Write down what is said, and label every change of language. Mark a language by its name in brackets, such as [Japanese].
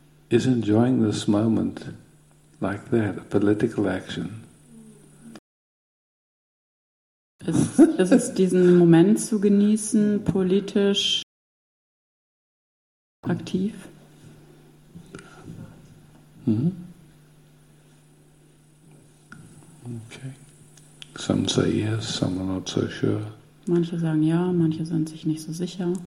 [English] Is enjoying this moment like that a political action? [German] Ist es diesen Moment zu genießen politisch aktiv? Mm-hmm. [English] Okay. Some say yes, some are not so sure. [German] Manche sagen ja, manche sind sich nicht so sicher.